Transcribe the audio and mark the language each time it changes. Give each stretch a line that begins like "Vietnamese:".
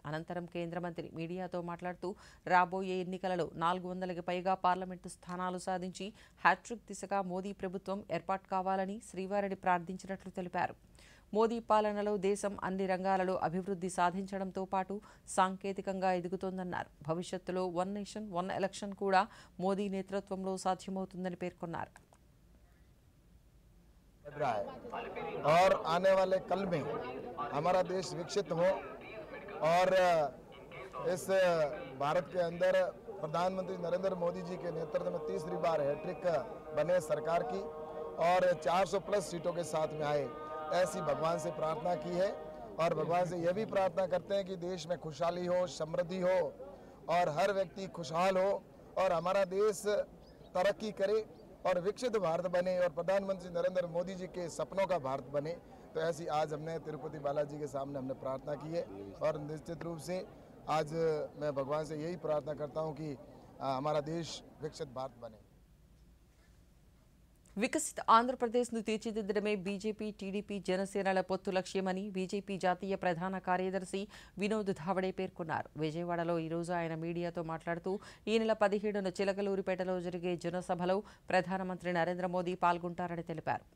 Telugu: అనంతరం కేంద్ర మంత్రి మీడియాతో మాట్లాడుతూ రాబోయే ఎన్నికలలో 400కి పైగా పార్లమెంటు స్థానాలు సాధించి హ్యాట్రిక్ దిశగా మోదీ ప్రభుత్వం ఏర్పాటు కావాలని శ్రీవారిని ప్రార్థించినట్లు తెలిపారు. మోదీ పాలనలో దేశం అన్ని రంగాలలో అభివృద్ధి సాధించడంతో పాటు సాంకేతికంగా ఎదుగుతోందన్నారు. భవిష్యత్తులో 1 నేషన్ 1 ఎలక్షన్ కూడా మోదీ నేతృత్వంలో సాధ్యమవుతుందని పేర్కొన్నారు.
Hindi: और आने वाले कल में हमारा देश विकसित हो और इस भारत के अंदर प्रधानमंत्री नरेंद्र मोदी जी के नेतृत्व में तीसरी बार हैट्रिक बने सरकार की और 400+ सीटों के साथ में आए, ऐसी भगवान से प्रार्थना की है और भगवान से यह भी प्रार्थना करते हैं कि देश में खुशहाली हो, समृद्धि हो और हर व्यक्ति खुशहाल हो और हमारा देश तरक्की करे और विकसित भारत बने और प्रधानमंत्री नरेंद्र मोदी जी के सपनों का भारत बने। तो ऐसी आज हमने तिरुपति बालाजी के सामने हमने प्रार्थना की है और निश्चित रूप से आज मैं भगवान से यही प्रार्थना करता हूँ कि हमारा देश विकसित भारत बने।
Telugu: వికసిత ఆంధ్రప్రదేశ్ను తీర్చిదిద్దడమే బీజేపీ టీడీపీ జనసేనల పొత్తు లక్ష్యమని బీజేపీ జాతీయ ప్రధాన కార్యదర్శి వినోద్ ధావడే పేర్కొన్నారు. విజయవాడలో ఈరోజు ఆయన మీడియాతో మాట్లాడుతూ ఈ నెల 17న చిలకలూరిపేటలో జరిగే జనసభలో ప్రధానమంత్రి నరేంద్ర మోదీ పాల్గొంటారని తెలిపారు.